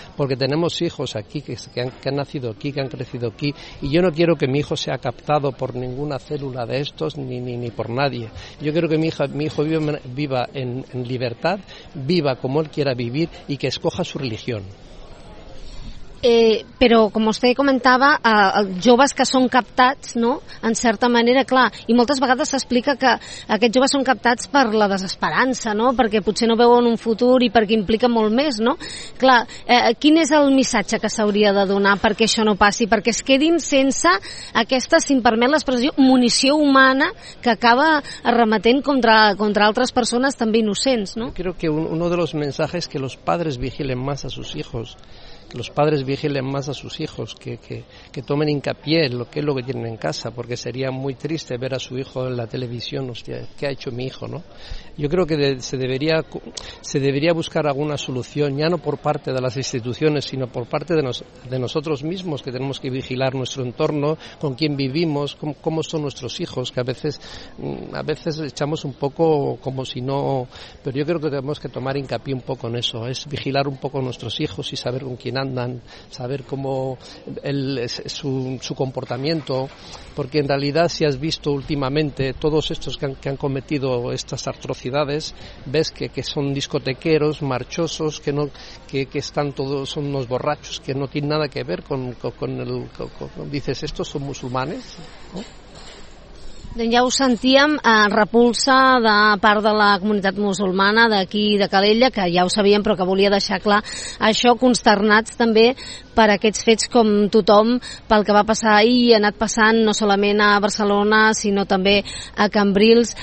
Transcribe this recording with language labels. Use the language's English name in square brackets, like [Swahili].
[Spanish] Porque tenemos hijos aquí que han nacido aquí, que han crecido aquí, y yo no quiero que mi hijo sea captado por ninguna célula de estos ni por nadie. Yo quiero que mi hijo viva en libertad, viva como él quiera vivir y que escoja su religión. [Catalan] Però, com vostè comentava, els joves que són captats, no?, en certa manera, clar, i moltes vegades s'explica que aquests joves són captats per la desesperança, no?, perquè potser no veuen un futur i perquè implica molt més, no? Clar, quin és el missatge que s'hauria de donar perquè això no passi, perquè es quedin sense aquesta, si em permet l'expressió, munició humana que acaba arremetent contra altres persones també innocents, no? [Spanish] Creo que uno de los mensajes que los padres vigilen más a sus hijos, que los padres vigilen más a sus hijos, que tomen hincapié en lo que tienen en casa, porque sería muy triste ver a su hijo en la televisión, hostia, ¿qué ha hecho mi hijo, no? Yo creo que se debería buscar alguna solución, ya no por parte de las instituciones, sino por parte de nosotros mismos, que tenemos que vigilar nuestro entorno, con quién vivimos, cómo son nuestros hijos, que a veces echamos un poco como si no, pero yo creo que tenemos que tomar hincapié un poco en eso, es vigilar un poco a nuestros hijos y saber con quién andan, saber cómo su comportamiento, porque en realidad, si has visto últimamente todos estos que han cometido estas atrocidades, ves que son discotequeros, marchosos, que están todos, son unos borrachos, que no tienen nada que ver con dices, ¿estos son musulmanes? ¿No? [Catalan] Ja ho sentíem, repulsa de part de la comunitat musulmana d'aquí de Calella, que ja ho sabíem però que volia deixar clar això, consternats també per aquests fets, com tothom, pel que va passar ahir i ha anat passant no solament a Barcelona sinó també a Cambrils.